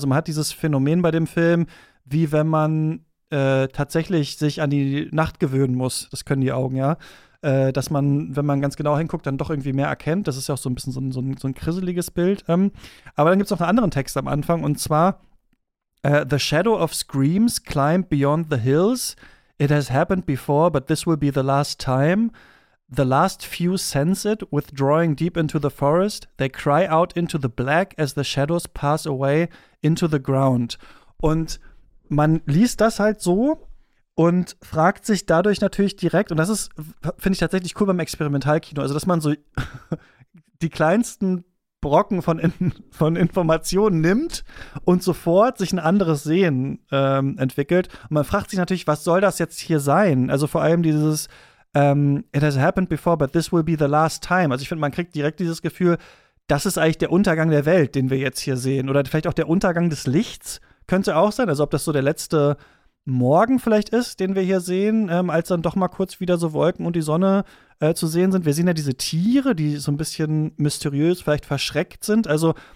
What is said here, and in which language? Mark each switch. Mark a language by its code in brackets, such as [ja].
[de] Also man hat dieses Phänomen bei dem Film, wie wenn man tatsächlich sich an die Nacht gewöhnen muss, das können die Augen, ja, dass man, wenn man ganz genau hinguckt, dann doch irgendwie mehr erkennt. Das ist ja auch so ein bisschen so ein kriseliges Bild. Aber dann gibt es noch einen anderen Text am Anfang, und zwar [en] the shadow of screams climbed beyond the hills. It has happened before, but this will be the last time. The last few sense it, withdrawing deep into the forest. They cry out into the black as the shadows pass away into the ground. [de] Und man liest das halt so und fragt sich dadurch natürlich direkt, und das ist, finde ich tatsächlich cool beim Experimentalkino, also dass man so die kleinsten Brocken von Informationen nimmt und sofort sich ein anderes Sehen entwickelt. Und man fragt sich natürlich, was soll das jetzt hier sein? Also vor allem dieses [en] it has happened before, but this will be the last time. [de] Also ich finde, man kriegt direkt dieses Gefühl, das ist eigentlich der Untergang der Welt, den wir jetzt hier sehen. Oder vielleicht auch der Untergang des Lichts könnte auch sein. Also ob das so der letzte Morgen vielleicht ist, den wir hier sehen, als dann doch mal kurz wieder so Wolken und die Sonne zu sehen sind. Wir sehen ja diese Tiere, die so ein bisschen mysteriös, vielleicht verschreckt sind. Also